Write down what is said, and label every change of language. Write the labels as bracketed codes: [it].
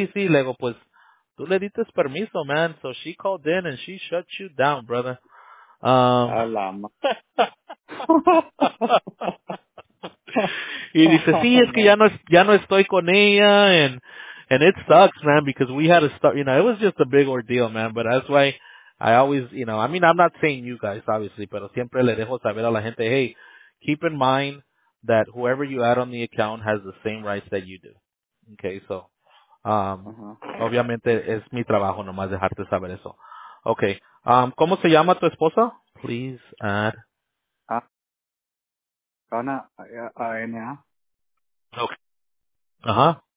[es] Le digo, pues, tú le diste permiso, man. [en] So she called in and she shut you down, brother. [es] Y dice, sí, es que ya no estoy con ella. [en] And, And it sucks, man, because we had to start, you know, it was just a big ordeal, man. But that's why I always, you know, I mean, I'm not saying you guys, obviously, [es] pero siempre le dejo saber a la gente, [en] hey, keep in mind that whoever you add on the account has the same rights that you do. [es] Okay, so, obviamente es mi trabajo nomás dejarte saber eso. Okay, ¿cómo se llama tu esposa? [en] Please add. Ana, A-N-A. Okay. Uh-huh.